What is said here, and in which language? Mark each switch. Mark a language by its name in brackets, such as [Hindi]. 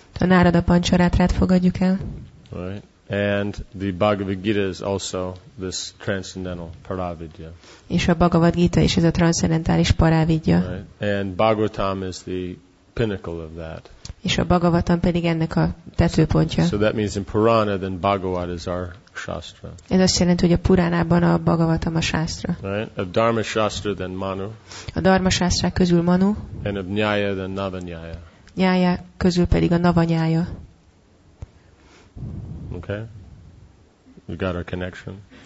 [Hungarian] A Narada Pancharatrát fogadjuk el. [English] Right. And the Bhagavad Gita is also this transcendental paravidya. [Hungarian] És a Bhagavad Gita is ez a transzcendentális paravidya. [English] Right. And Bhagavatam is the pinnacle of that. [Hungarian] És a Bhagavatam pedig ennek a tetőpontja. [English] So that means in Purana, then Bhagavat is our shastra. [Hungarian] Ez azt jelenti, hogy a Puránában a Bhagavatam a shastra. [English] Right. Of Dharma shastra, then Manu. [Hungarian] A Dharma shastrák közül Manu. [English] And of Nyaya, then Navanyaya. [Hungarian] Nyaya közül pedig a Navanyaya. [English] Okay, we got our connection.